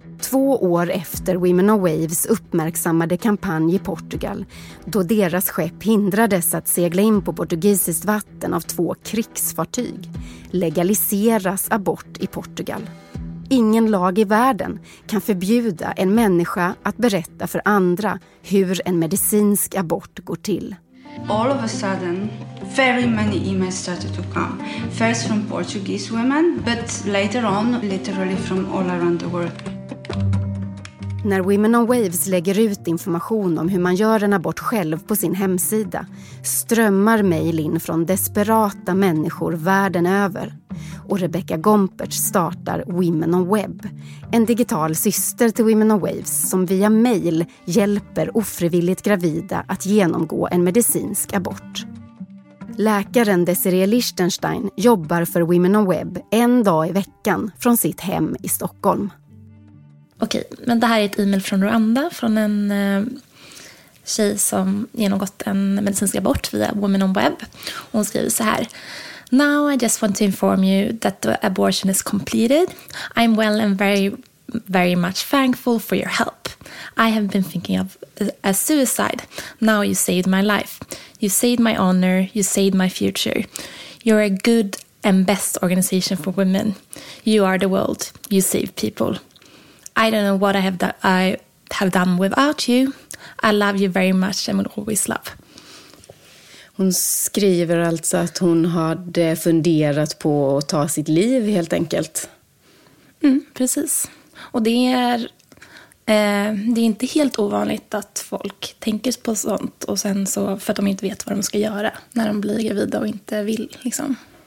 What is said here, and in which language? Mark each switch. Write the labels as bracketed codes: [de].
[sv] 2 år efter Women on Waves uppmärksammade kampanj i Portugal, då deras skepp hindrades att segla in på portugisiskt vatten av 2 krigsfartyg, legaliseras abort i Portugal. Ingen lag i världen kan förbjuda en människa att berätta för andra hur en medicinsk abort går till. [en] All of a sudden, very many emails started to come. First from Portuguese women, but later on, literally from all around the world. [sv] När Women on Waves lägger ut information om hur man gör en abort själv på sin hemsida strömmar mejl in från desperata människor världen över. Och Rebecca Gompertz startar Women on Web, en digital syster till Women on Waves som via mejl hjälper ofrivilligt gravida att genomgå en medicinsk abort. Läkaren Desiree Lichtenstein jobbar för Women on Web en dag i veckan från sitt hem i Stockholm. Okej, men det här är ett e-mail från Rwanda från en tjej som genomgått en medicinsk abort via Women on Web. Hon skriver så här: [en] "Now I just want to inform you that the abortion is completed. I'm well and very, very much thankful for your help. I have been thinking of a suicide. Now you saved my life. You saved my honor. You saved my future. You're a good and best organization for women. You are the world. You save people. I don't know what I have done without you. I love you very much and will always love." [sv] Hon skriver alltså att hon hade funderat på att ta sitt liv helt enkelt. Mm, precis. Och det är inte helt ovanligt att folk tänker på sånt och sen så för att de inte vet vad de ska göra när de blir gravida och inte vill liksom.